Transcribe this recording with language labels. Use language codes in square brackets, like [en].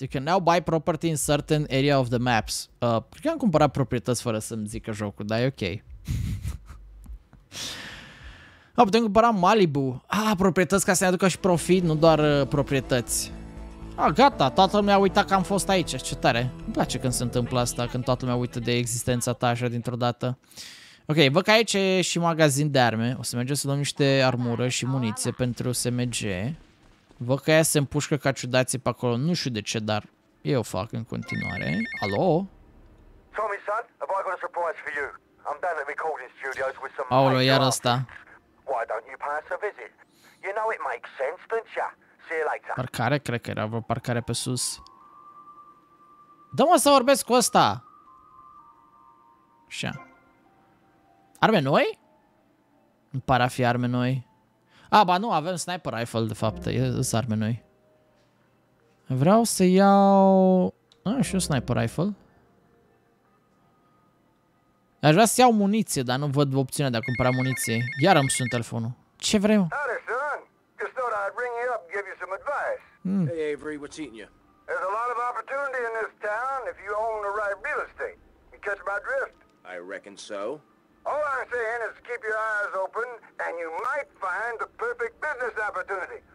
[en] You can now buy property in certain area of the maps. [ro] Cred că am cumpărat proprietăți fără să-mi zică jocul, dar e ok. putem cumpăra Malibu. Ah, proprietăți ca să ne aducă și profit, nu doar proprietăți. Ah, gata, toată lumea a uitat că am fost aici. Ce tare. Îmi place când se întâmplă asta, când toată lumea uită de existența ta așa dintr-o dată. Ok, văd că aici e și magazin de arme. O să mergem să luăm niște armură și muniție pentru SMG. Văd că aia se împușcă ca ciudații pe acolo, nu știu de ce, dar eu o fac în continuare. Alo? [en] Tommy, son, have I got a surprise for you? I'm down at recording studios with some... [ro] Aolo, iar asta. [en] Why don't you pass a visit? You know it makes sense, don't you? See you later. [ro] Parcare? Cred că era vreo parcare pe sus. Dă-mă să vorbesc cu ăsta! Așa. Arme noi? Îmi pare a fi arme noi. A, ba nu, avem sniper rifle, de fapt, sunt arme noi. Vreau să iau... A, și un sniper rifle. Aș vrea să iau muniție, dar nu văd opțiunea de a cumpăra muniție. Iar îmi sună telefonul. Ce vrei, mă? [en] Howdy, son! Just thought I'd ring you up and give you some advice. Hey, Avery, what's eating you? There's a lot of opportunity in this town if you own the right real estate. You catch my drift? I reckon so. All I'm saying is keep your eyes open, and you might find the perfect business opportunity.